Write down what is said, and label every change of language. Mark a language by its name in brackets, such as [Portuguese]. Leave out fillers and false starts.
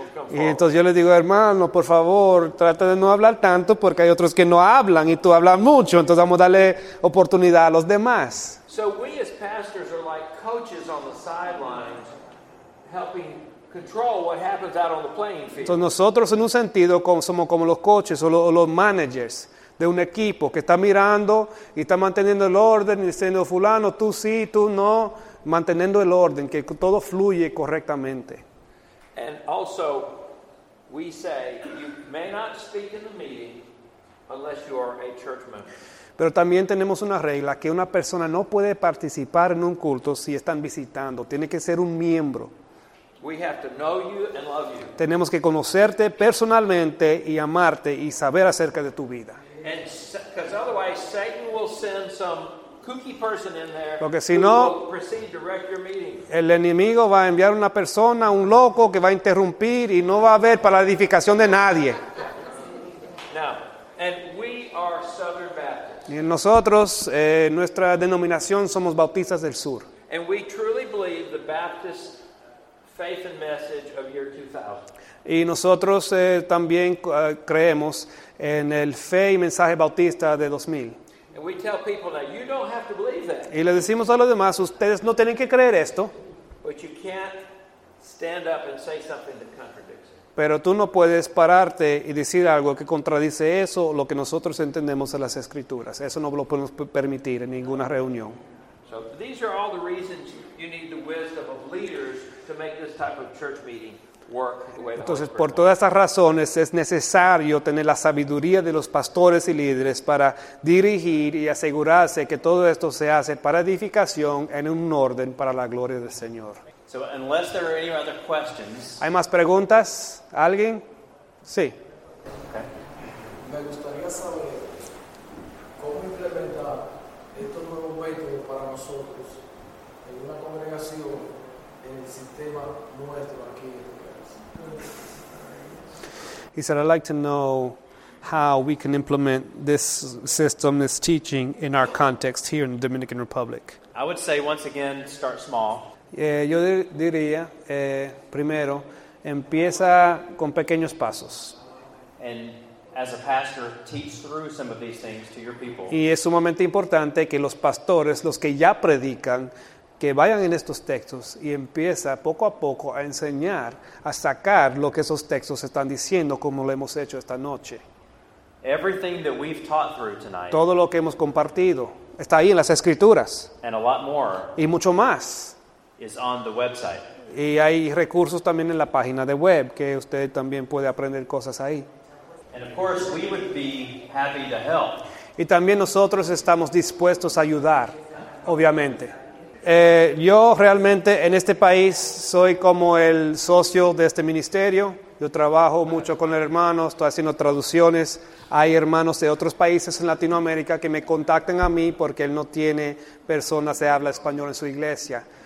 [Spanish] Y entonces yo les digo, hermano, por favor, trata de no hablar tanto porque hay otros que no hablan y tú hablas mucho. Entonces vamos a darle oportunidad a los demás. [English] So we as pastors are like coaches on the sidelines, helping control what happens out on the playing field. [Spanish] Entonces nosotros en un sentido somos como los coaches o los managers de un equipo que está mirando y está manteniendo el orden y diciendo, fulano, tú sí, tú no, manteniendo el orden, que todo fluye correctamente. [English] And also, we say, you may not speak in the meeting unless you are a church member. [Spanish] Pero también tenemos una regla que una persona no puede participar en un culto si están visitando. Tiene que ser un miembro. [English] We have to know you and love you. [Spanish] Tenemos que conocerte personalmente y amarte y saber acerca de tu vida. [English] Because otherwise Satan will send some kooky person in there. [Spanish] Porque si no, el enemigo va a enviar una persona, un loco que va a interrumpir y no va a haber para la edificación de nadie. [English] Now, and we are Southern Baptists. [Spanish] Y nosotros, nuestra denominación, somos Bautistas del Sur. [English] And we truly believe the Baptist faith and message of year 2000. [Spanish] Y nosotros también creemos en el fe y mensaje bautista de 2000. [English] And we tell people that you don't have to believe that. [Spanish] Y le decimos a los demás, ustedes no tienen que creer esto. [English] But you can't stand up and say something that contradicts it. [Spanish] Pero tú no puedes pararte y decir algo que contradice eso, lo que nosotros entendemos en las Escrituras. Eso no lo podemos permitir en ninguna reunión. [English] So these are all the reasons you need the wisdom of leaders to make this type of church meeting. [Spanish] Entonces, por todas estas razones, es necesario tener la sabiduría de los pastores y líderes para dirigir y asegurarse que todo esto se hace para edificación en un orden para la gloria del Señor. [English] So, unless there are any other questions, [Spanish] ¿hay más preguntas? ¿Alguien? Sí. Okay. Me gustaría saber cómo implementar estos nuevos métodos para nosotros en una congregación en el sistema nuestro aquí. [English] He said, I'd like to know how we can implement this system, this teaching, in our context here in the Dominican Republic. I would say, once again, start small. [Spanish] Yo diría, primero, empieza con pequeños pasos. [English] And as a pastor, teach through some of these things to your people. [Spanish] Y es sumamente importante que los pastores, los que ya predican, que vayan en estos textos y empieza poco a poco a enseñar, a sacar lo que esos textos están diciendo, como lo hemos hecho esta noche. [English] Everything that we've taught through tonight, [Spanish] todo lo que hemos compartido está ahí en las Escrituras. [English] And a lot more, [Spanish] y mucho más. [English] Is on the website. [Spanish] Y hay recursos también en la página de web que usted también puede aprender cosas ahí. [English] And of course, we would be happy to help. [Spanish] Y también nosotros estamos dispuestos a ayudar, obviamente. Yo realmente en este país soy como el socio de este ministerio. Yo trabajo mucho con hermanos, estoy haciendo traducciones. Hay hermanos de otros países en Latinoamérica que me contactan a mí porque él no tiene personas que hablan español en su iglesia.